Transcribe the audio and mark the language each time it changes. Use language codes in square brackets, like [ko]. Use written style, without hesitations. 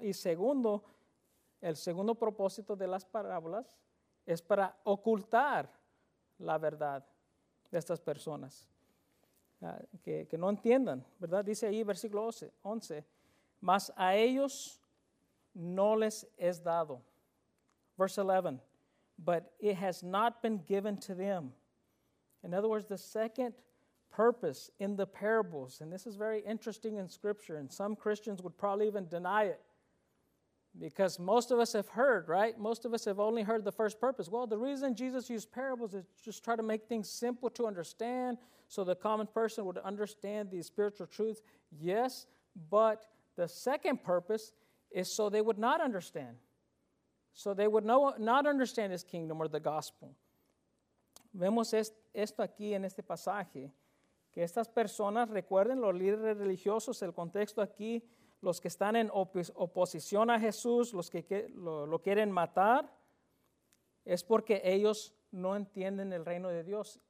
[es] Y segundo, el segundo propósito de las parábolas es para ocultar la verdad de estas personas. Que no entiendan, ¿verdad? Dice ahí, versículo 11, mas a ellos no les es dado. [en] Verse 11, but it has not been given to them. In other words, the second purpose in the parables, and this is very interesting in Scripture, and some Christians would probably even deny it, because most of us have heard, right? Most of us have only heard the first purpose. Well, the reason Jesus used parables is just try to make things simple to understand so the common person would understand these spiritual truths. Yes, but the second purpose is so they would not understand. So they would not understand his kingdom or the gospel. [es] Vemos esto aquí en este pasaje, que estas personas, recuerden, los líderes religiosos, el contexto aquí, los que están en oposición a Jesús, los que lo quieren matar, es porque ellos no entienden el reino de Dios.